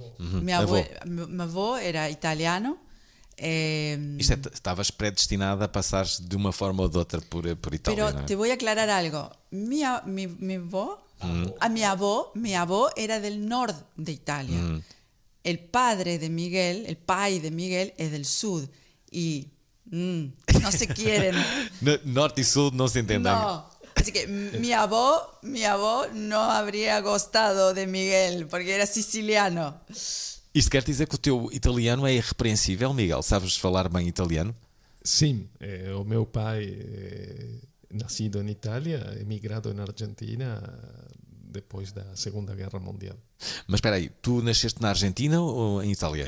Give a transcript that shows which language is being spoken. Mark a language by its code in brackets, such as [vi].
[pt] Meu avô era italiano. Isto estavas predestinada a passares de uma forma ou de outra por Itália, [es] pero [pt] não é? [es] Te vou aclarar algo. Mi avô era del norte de Itália. El padre de Miguel, el pai de Miguel, es del sur y no se quieren. Norte y sur no se entienden. No, así que mi abó no habría gustado de Miguel porque era siciliano. [pt] ¿Isto quer dizer que o teu italiano é irrepreensível, Miguel? Sabes falar bem italiano? Sim, o meu pai nascido em Itália, emigrado na Argentina depois da Segunda Guerra Mundial. Mas espera aí, tu nasceste na Argentina ou em Itália?